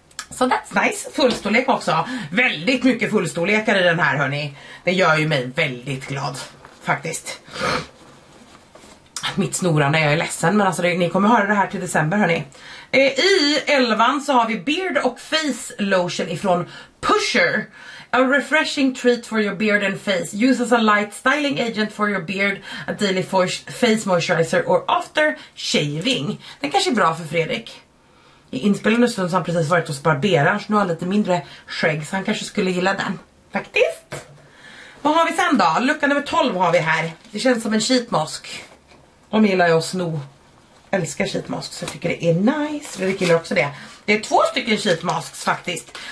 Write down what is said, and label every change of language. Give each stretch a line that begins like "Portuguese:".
Swedish: Så
English: so that's nice,
Swedish: fullstorlek också. Väldigt mycket fullstorlekar i den här hörni. Det gör ju mig väldigt glad. Faktiskt. Mitt snorande, jag är ledsen. Men alltså ni kommer höra det här till december hörni. I 11 så har vi Beard och Face Lotion ifrån Pusher.
English: A refreshing treat for your beard and face. Use as a light styling agent for your beard. A daily face moisturizer or after shaving.
Swedish: Den kanske är bra för Fredrik. I inspelande stund så har precis varit hos barberaren, så nu har han lite mindre skägg, så han kanske skulle gilla den. Faktiskt. Vad har vi sen då? Lucka nummer 12 har vi här. Det känns som en sheetmask. De gillar jag att sno. Älskar sheetmask, så jag tycker det är nice. Fredrik gillar också det. Det är 2 stycken sheetmasks faktiskt.